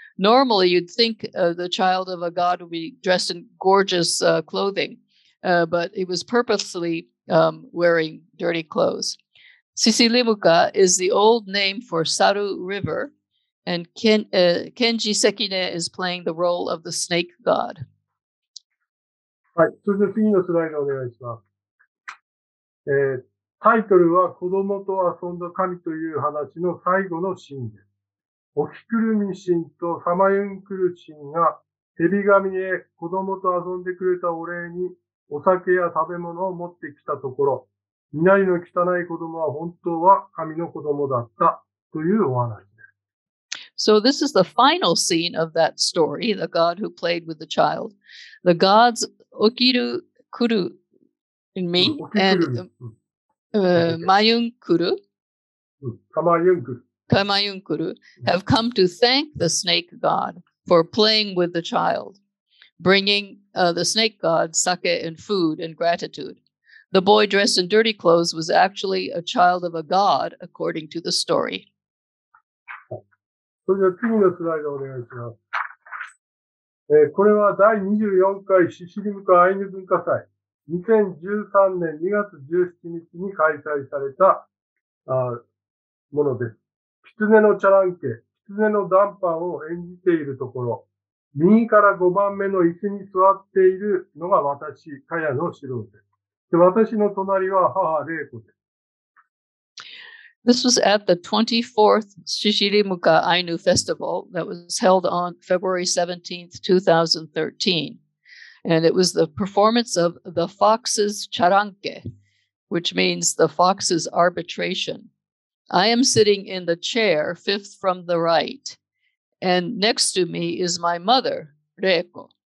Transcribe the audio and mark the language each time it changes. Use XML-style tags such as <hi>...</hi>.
<en>Normally, you'd think the child of a god would be dressed in gorgeous clothing. But he was purposely wearing dirty clothes. Sisilimuka is the old name for Saru River, and Kenji Sekine is playing the role of the snake god.</en> <ja>はい、それでは次のスライドお願いします。タイトルは子供と遊んだ神という話の最後のシーンです。おきくるみ神とさまゆんくる神が蛇神へ子供と遊んでくれたお礼にお酒や食べ物を持ってきたところ、身なりの汚い子供は本当は神の子供だったというお話です。</ja> <en>So this is the final scene of that story, the god who played with the child. The gods okiru kuru in me and mayunkuru, kamayunkuru have come to thank the snake god for playing with the child. Bringing the snake god sake and food and gratitude. The boy dressed in dirty clothes was actually a child of a god, according to the story. So, the next slide, please.</en> <ja>これは第24回シシリムカアイヌ文化祭2013年2月17日に開催されたものです。狐のチャランケ、狐のダンパーを演じているところ。右から5番目の椅子に座っているのが私、カヤノシロウです。で、私の隣は母、レイコです。</ja> <en>This was at the 24th Shishirimuka Ainu Festival that was held on February 17th, 2013. And it was the performance of the Fox's Charanke, which means the Fox's Arbitration. I am sitting in the chair, fifth from the right, and next to me is my mother, Reiko.</en>